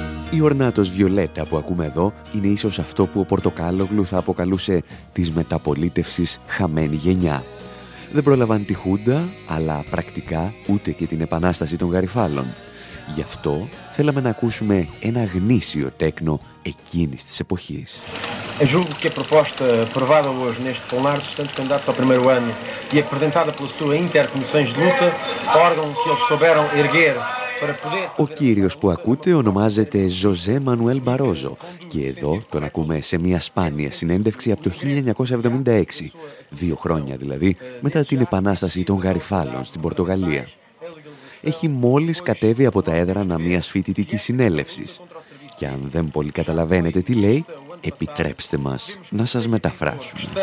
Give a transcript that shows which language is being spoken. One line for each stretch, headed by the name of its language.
Greek: Η Ορνάτος Βιολέτα που ακούμε εδώ είναι ίσως αυτό που ο Πορτοκάλογλου θα αποκαλούσε της μεταπολίτευσης χαμένη γενιά. Δεν πρόλαβαν τη Χούντα, αλλά πρακτικά ούτε και την επανάσταση των Γαριφάλων. Γι' αυτό θέλαμε να ακούσουμε ένα γνήσιο τέκνο εκείνης της εποχής.
Portuguese: Julgo que a proposta aprovada hoje neste plenário dos restantes candidatos ao primeiro ano e apresentada pela sua intercomissões de luta, órgão que eles souberam erguer.
Greek: Ο κύριος που ακούτε ονομάζεται Ζωζέ Μανουέλ Μπαρόζο και εδώ τον ακούμε σε μια σπάνια συνέντευξη από το 1976, δύο χρόνια δηλαδή, μετά την επανάσταση των Γαριφάλων στην Πορτογαλία. Έχει μόλις κατέβει από τα έδρανα μιας φοιτητικής συνέλευσης και αν δεν πολύ καταλαβαίνετε τι λέει, επιτρέψτε μας να σας μεταφράσουμε.